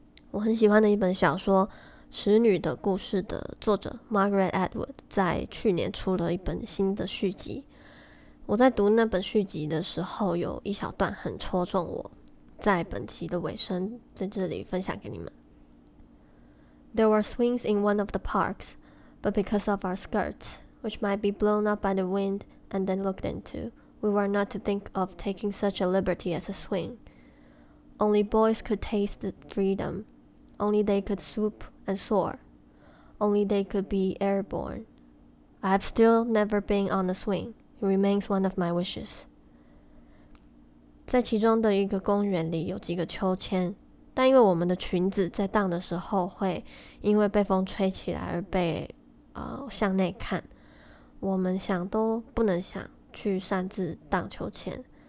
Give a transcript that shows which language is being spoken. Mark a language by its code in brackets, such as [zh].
[zh] 我很喜欢的一本小说《使女的故事》的作者 Margaret Atwood 在去年出了一本新的续集。我在读那本续集的时候，有一小段很戳中我，在本期的尾声在这里分享给你们。 [en] There were swings in one of the parks, but because of our skirts, which might be blown up by the wind and then looked into, we were not to think of taking such a liberty as a swing. Only boys could taste the freedom. Only they could swoop and soar. Only they could be airborne. I have still never been on a swing. It remains one of my wishes. [zh] 在其中的一个公园里有几个秋千，但因为我们的裙子在荡的时候会因为被风吹起来而被向内看，我们想都不能想去擅自荡秋千。